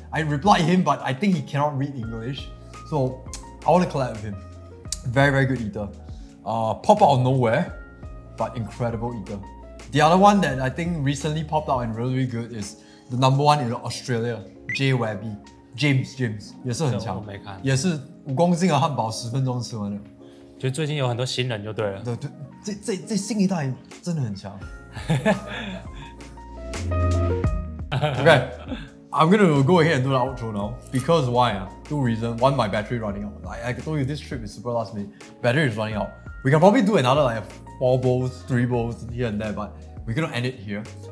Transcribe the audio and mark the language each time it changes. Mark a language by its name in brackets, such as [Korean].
[English] I replied him, but I think he cannot read English. So I want to collab with him. Very, very good eater. Pop out of nowhere, but incredible eater. The other one that I think recently popped out and really good is the number one in Australia, Jay Webby. [Chinese] James, 也是很强，我没看，也是五公斤的汉堡，十分钟吃完了。就最近有很多新人就对了。对对，这新一代真的很强。 [English] Okay, I'm gonna go ahead and do the outro now. Because why? Two reasons. One, my battery running out. Like I told you, this trip is super last minute. Battery is running out. We can probably do another like four bowls, three bowls here and there, but we're gonna end it here.